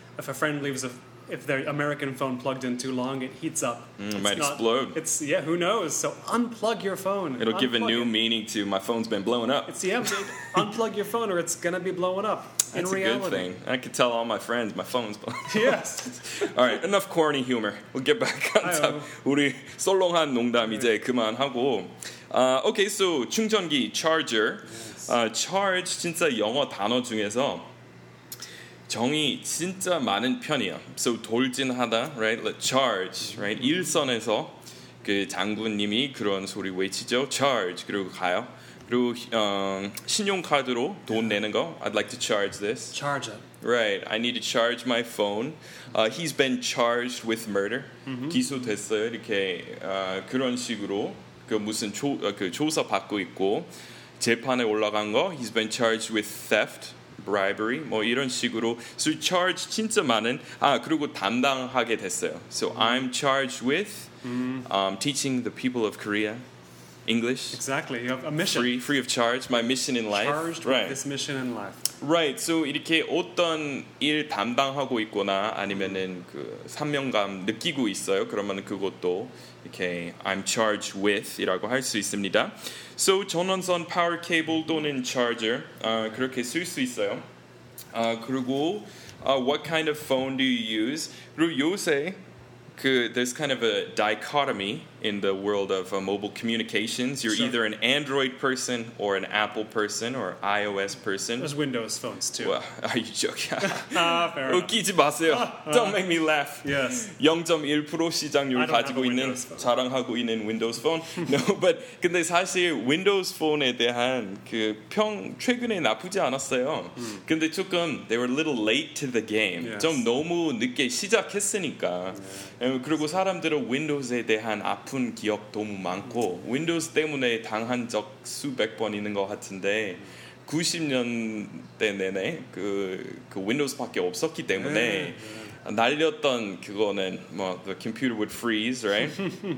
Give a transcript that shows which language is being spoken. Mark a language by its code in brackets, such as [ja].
[en] If a friend leaves if their American phone plugged in too long, it heats up. It might explode. Yeah, who knows? So unplug your phone. It'll give a new meaning to my phone's been blowing up. unplug your phone or it's going to be blowing up. That's a good thing. I could tell all my friends my phone's blown. Yes. All right, enough corny humor. We'll get back on top. [ko] 우리 썰렁한 농담 이제 그만하고. [en] Okay, so [ko] 충전기, [en] charger. Yes. [ko] Charge, 진짜 영어 단어 중에서 정이 진짜 많은 편이야. So 돌진하다, [en] right? Charge, right? [ko] 일선에서 그 장군님이 그런 소리 외치죠. [en] Charge. [ko] 그리고 가요. 그리고 신용카드로 돈 내는 거. [en] I'd like to charge this. Charge it. Right. I need to charge my phone. He's been charged with murder. Mm-hmm. [ko] 기소됐어요. 이렇게 그런 식으로 그 무슨 그 조사 받고 있고 재판에 올라간 거. [en] He's been charged with theft. Bribery, [ko] 뭐 이런 식으로 [en] so charge [ko] 진짜 많은 아 그리고 담당하게 됐어요. [en] So I'm charged with teaching the people of Korea English. Exactly, you have a mission. Free of charge, my mission in life. Charged right. with this mission in life. Right. [ko] So 이렇게 어떤 일 담당하고 있거나 아니면은 그 사명감 느끼고 있어요. 그러면 그것도 이렇게 I'm charged with이라고 할 수 있습니다. So 전원선 [en] power cable [ko] 또는 charger 그렇게 쓸 수 있어요. 그리고 [en] what kind of phone do you use? [ko] 그리고 요새 그 [en] there's kind of a dichotomy in the world of mobile communications. You're sure. either an Android person or an Apple person or iOS person. There's Windows phones too. Well, are you joking? fair enough. [ko] 웃기지 마세요. [en] Don't make me laugh. Yes. [ko] 0.1% 시장률 가지고 있는 자랑하고 있는 Windows phone. [en] No, but [ko] 근데 사실 Windows phone에 대한 그 평 최근에 나쁘지 않았어요. 근데 조금 [en] they were a little late to the game. Yes. [ko] 좀 너무 늦게 시작했으니까. [en] Yeah. [ko] 그리고 사람들은 윈도우즈에 대한 아픈 기억 너무 많고 윈도우즈 때문에 당한 적 수백 번 있는 것 같은데 90년대 내내 그 윈도우즈밖에 없었기 때문에 날렸던 그거는 뭐 [en] the computer would freeze, right?